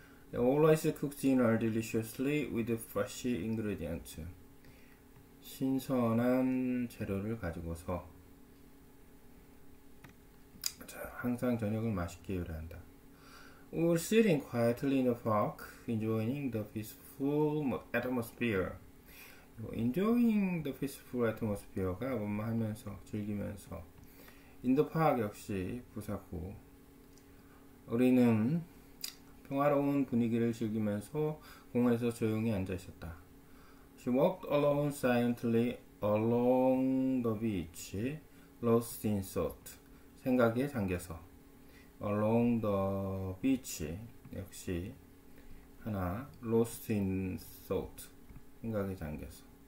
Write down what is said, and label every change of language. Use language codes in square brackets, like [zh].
[en] They always cook dinner deliciously with fresh ingredients. [ko] 신선한 재료를 가지고서 항상 저녁을 맛있게 요리한다. [en] We're sitting quietly in the park, enjoying the peaceful atmosphere. Enjoying the peaceful atmosphere가 [ko] 원만하면서 즐기면서. [en] In the park [ko] 역시 부사고. 우리는 평화로운 분위기를 즐기면서 공원에서 조용히 앉아 있었다. [en] She walked alone silently along the beach, lost in thought. [ko] 생각에 잠겨서. [en] Along the beach. [ko] 역시 하나. [en] Lost in thought. [ko] 생각에 잠겨서.